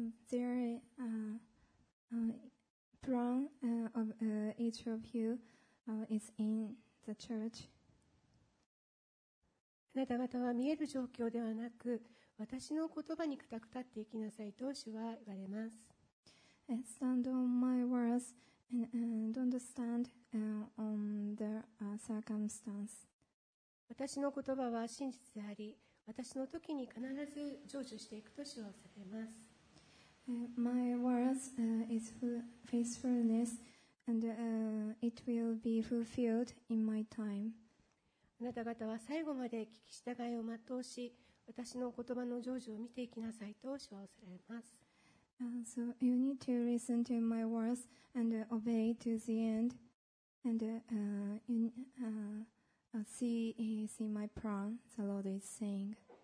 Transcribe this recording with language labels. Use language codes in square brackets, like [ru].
[en] There a plan of each of you is in the church。 [ja] あなた方は見える状況ではなく私の言葉に固く立っていきなさいと主は言われます。 [en] Stand on my wordsAnd don't stand on the circumstance。 [ja] 私の言葉は真実であり、私の時に必ず成就していくと主はおされます。 [en] My words is faithfulness, and it will be fulfilled in my time。 [ja] あなた方は最後まで聞き従いを全うし、私の言葉の成就を見ていきなさいと主はおされます。 [en] So you need to listen to my words and obey to the end and see my plan, the Lord is saying.